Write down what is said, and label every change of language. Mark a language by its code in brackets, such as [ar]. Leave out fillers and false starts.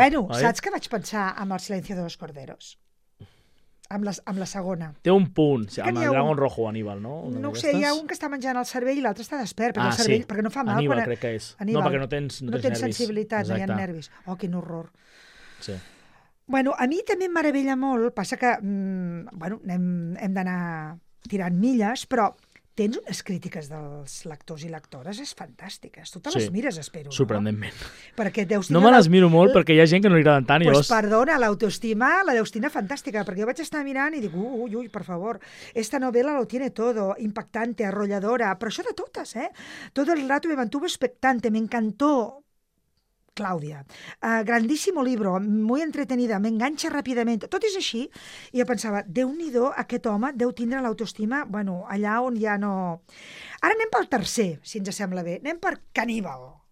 [ca] Bueno, saps que vaig pensar en El silencio de los corderos? Amb la segona. Té un punt, sí, amb el dragón rojo, Aníbal, no? No ho sé, hi ha un que està menjant el cervell i l'altre està despert, perquè el cervell, sí, perquè no fa mal. Aníbal, quan... crec que és. Aníbal, no, perquè no tens sensibilitat, no hi ha nervis. Oh, quin horror. Sí. Bueno, a mi també em meravella molt, passa que bueno, hem d'anar tirant milles, però tens unes crítiques dels lectors i lectores, és fantàstiques. Tu te les mires, espero. Sorprendentment. No? Perquè deus tenir... No me les miro molt perquè hi ha gent que no li agraden tant. Pues perdona, l'autoestima la deus tenir fantàstica, perquè jo vaig estar mirant i dic, ui, ui, per favor, [es] esta novel·la lo tiene todo, impactante, arrolladora, [ca] però això de totes, eh? Tot el rato [es] me mantuvo expectante, me encantó Clàudia. Grandíssimo libro, muy entretenida, [ca] m'enganxa ràpidament. Tot és així. I jo pensava, déu-n'hi-do, aquest home deu tindre l'autoestima, bueno, allà on ja no... Ara anem pel tercer, si ens sembla bé. Anem per Caníbal.